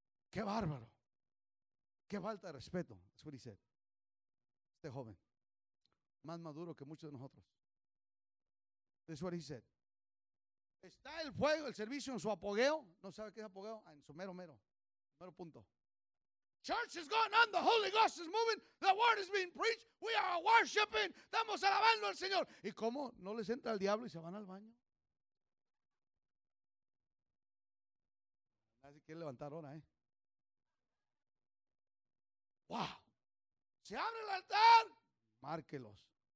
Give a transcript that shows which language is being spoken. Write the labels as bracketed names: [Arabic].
[Spanish] Qué bárbaro. Qué falta de respeto. [English] That's what he said. [Spanish] Este joven. Más maduro que muchos de nosotros. [English] That's what he said. [Spanish] Está el fuego, el servicio en su apogeo. ¿No sabe qué es apogeo? En su mero, mero. Mero punto. [English] Church is going on. The Holy Ghost is moving. The word is being preached. We are worshiping. [Spanish] Estamos alabando al Señor. ¿Y cómo? ¿No les entra el diablo y se van al baño? Nadie quiere levantar ahora, ¿eh? ¡Wow! ¿Se abre el altar? Márquelos.